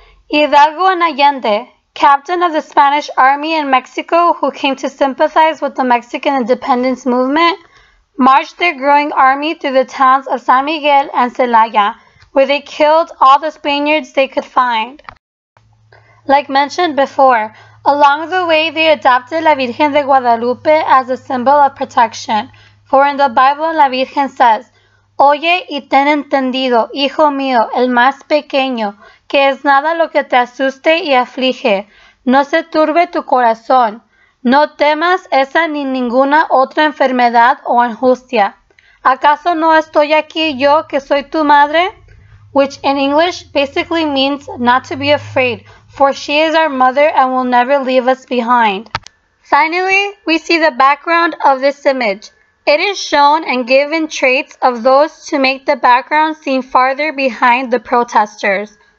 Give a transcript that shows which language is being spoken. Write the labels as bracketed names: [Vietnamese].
[English] Hidalgo and Allende, captain of the Spanish army in Mexico who came to sympathize with the Mexican independence movement, marched their growing army through the towns of San Miguel and Celaya, where they killed all the Spaniards they could find. Like mentioned before, along the way they adopted La Virgen de Guadalupe as a symbol of protection. For in the Bible, La Virgen says, [Spanish] Oye y ten entendido, hijo mío, el más pequeño, que es nada lo que te asuste y aflige. No se turbe tu corazón. No temas esa ni ninguna otra enfermedad o injusticia. ¿Acaso no estoy aquí yo que soy tu madre? [English] Which in English basically means not to be afraid, for she is our mother and will never leave us behind. Finally, we see the background of this image. It is shown and given traits of those to make the background seem farther behind the protesters.